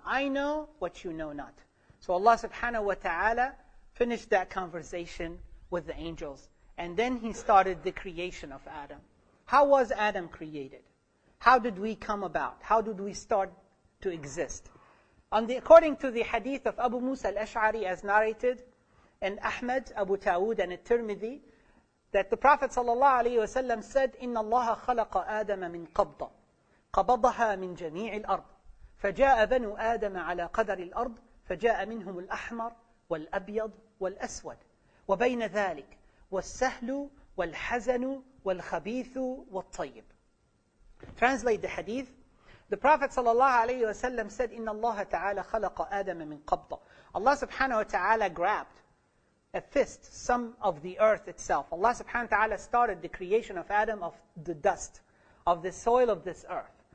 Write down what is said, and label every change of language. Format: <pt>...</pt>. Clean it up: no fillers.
<en>I know what you know not. So Allah subhanahu wa ta'ala finished that conversation with the angels. And then he started the creation of Adam. How was Adam created? How did we come about? How did we start to exist? According to the hadith of Abu Musa al-Ash'ari as narrated in Ahmad, Abu Tawud, and at-Tirmidhi, that the Prophet sallallahu alayhi wasallam said,</en> <ar>إِنَّ اللَّهَ خَلَقَ آدَمَ مِنْ قَبْضَةٍ قَبَضَهَا مِنْ جَمِيعِ الْأَرْضِ فَجَاءَ بَنُو آدَمَ عَلَى قَدَرِ الْأَرْضِ فَجَاءَ مِنْهُمُ الْأَحْمَرُ وَالْأَبْيَضُ وَالْأَسْوَدُ وَبَيْنَ ذَلِكَ وَالسَّهْلُ وَالْحَزَنُ وَالْخَبِيثُ وَالطَّيِّبُ.</ar> <en>Translate the hadith. The Prophet sallallahu alayhi wa sallam said,</en> <ar>إِنَّ اللَّهَ تَعَالَى خَلَقَ آدَمَ مِنْ قَبْضَةٍ.</ar> <en>Allah subhanahu wa ta'ala grabbed a fist, some of the earth itself. Allah subhanahu wa ta'ala started the creation of Adam of the dust, of the soil of this earth.</en>